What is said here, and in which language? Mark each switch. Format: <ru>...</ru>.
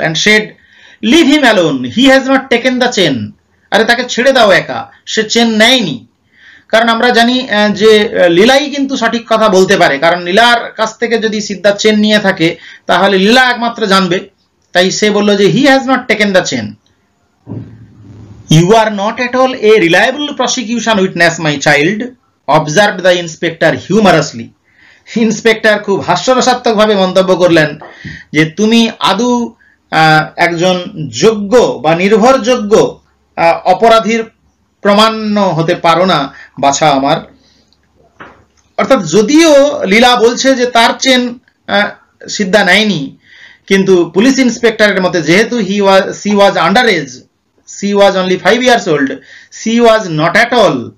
<en>and said, leave him alone, he has not taken the chain,</en> <bn>আরে তাকে ছেড়ে দাও একা, সে চেন নেয়নি। কারণ আমরা জানি যে লীলাই কিন্তু সঠিক কথা বলতে পারে, কারণ লীলার কাছ থেকে যদি সিদ্ধার চেন নিয়ে থাকে তাহলে লীলা একমাত্র জানবে, তাই সে বললো যে</bn> <en>He has not taken the chain. You are not at all a reliable prosecution witness, my child, observed the inspector humorously.</en> <bn>Inspector খুব হাস্যরসাত্মকভাবে মন্তব্য করলেন যে তুমি আদু একজন যোগ্য বা নির্ভরযোগ্য অপরাধীর প্রমাণ্য হতে পারো না বাছা আমার। অর্থাৎ যদিও লীলা বলছে যে তার চেন সিদ্ধা নেয়নি, কিন্তু পুলিশ ইন্সপেক্টরের মতে যেহেতু</bn> <en>she was under age, she was only 5 years old, she was not at all,</en>